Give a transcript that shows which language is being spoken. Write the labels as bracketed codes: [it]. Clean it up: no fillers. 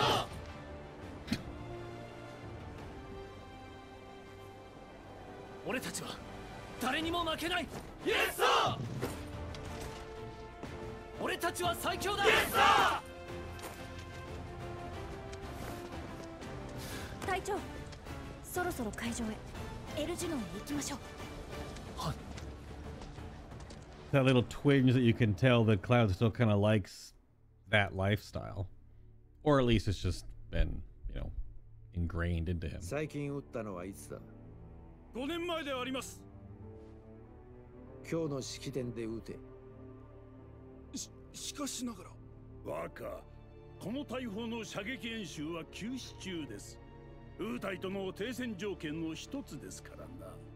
[ja] ー。俺たちは誰にも負けない。イエスサー。俺たちは最強だ。イエスサー。隊長、そろそろ会場へ。エルジュノンへ行きましょう。はい。 [en] That little twinge that you can tell that Cloud still kind of likes that lifestyle. Or at least it's just been, you know, ingrained into him. [ja] 最近撃ったのはいつだ。 5年前であります。今日の式典で撃て。しかしながら、バカ、この大砲の射撃演習は休止中です。ウータイとの停戦条件の一つですからな。